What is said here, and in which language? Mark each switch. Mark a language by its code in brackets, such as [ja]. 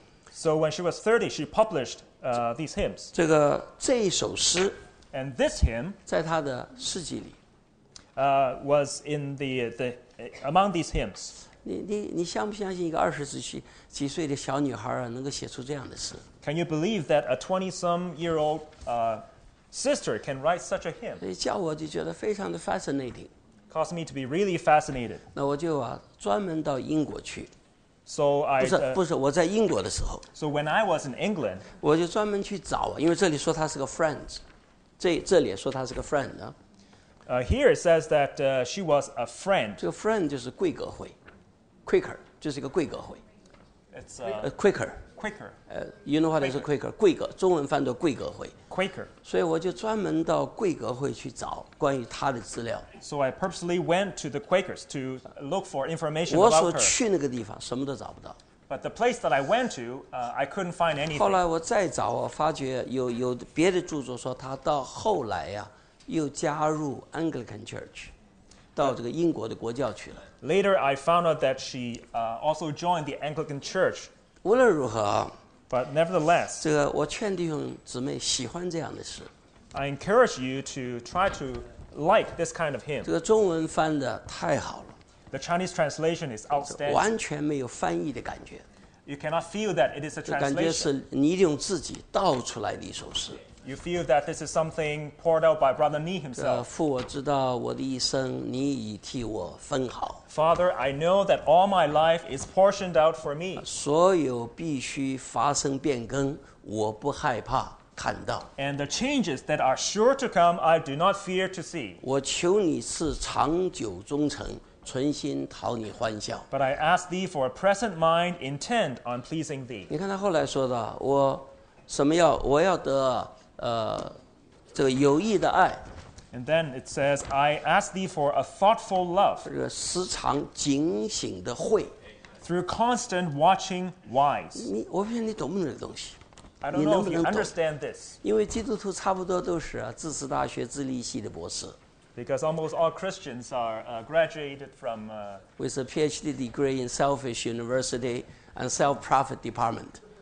[en] So when she was 30, she published. These hymns. [zh] 这一首诗 [en] ，and this hymn， [zh] 在他的诗集里 [en] ，was in the among these hymns. [zh] 你相不相信一个20几岁的小女孩啊，能够写出这样的诗 [en] ？Can you believe that a 20-some-year-old sister can write such a hymn？ [zh] 所以叫我就觉得非常的 [en] fascinating. Caused me to be really fascinated. [zh] 那我就专门到英国去。 [en] So I [zh] 不是我在英国的时候。 [en] So when I was in England, [zh] 我就专门去找，因为这里说他是个 friend， 这里也说他是个 friend 啊。 [en] Here it says that she was a friend. [zh] 这个 friend 就是贵格会 ，Quaker 就是一个贵格会。 [en] It's Quaker. Quaker. You know what is Quaker? [zh] 贵格，中文翻作贵格会。 [en] Quaker. [zh] 所以我就专门到贵格会去找关于他的资料。 [en] So I purposely went to the Quakers to look for information about her. [zh] 我所去那个地方什么都找不到。 [en] But the place that I went to, I couldn't find anything. [zh] 后来我再找，我发觉有别的著作说他到后来呀、又加入 Anglican Church， 到这个英国的国教去了。 [en] Later, I found out that she also joined the Anglican Church. [zh] 无论如何 [en] ，But nevertheless, [zh] 这个我劝弟兄姊妹喜欢这样的诗。 [en] I encourage you to try to like this kind of hymn. [zh] 这个中文翻的太好了。 [en] The Chinese translation is outstanding. [zh] 完全没有翻译的感觉。 [en] You cannot feel that it is a translation. [zh] 感觉是尼弟兄自己道出来的一首诗。 [en] You feel that this is something poured out by Brother Nee himself. [zh] 父，我知道我的一生你已替我分好。 [en] Father, I know that all my life is portioned out for me. [zh] 所有必须发生变更，我不害怕看到。 [en] And the changes that are sure to come, I do not fear to see. [zh] 我求你赐长久忠诚，存心讨你欢笑。 [en] But I ask thee for a present mind intent on pleasing thee. [zh] 你看他后来说的，我什么要我要得。这个有益的爱。 [en] And then it says, I ask thee for a thoughtful love. [zh] 这个时常警醒的慧。 [en] Through constant watching, wise. [zh] 我问你懂不懂这个东西你能不能懂？因为基督徒差不多都是自治大学自立系的博士。 [en] Because almost all Christians are graduated from with a PhD degree in selfish university and self-profit department.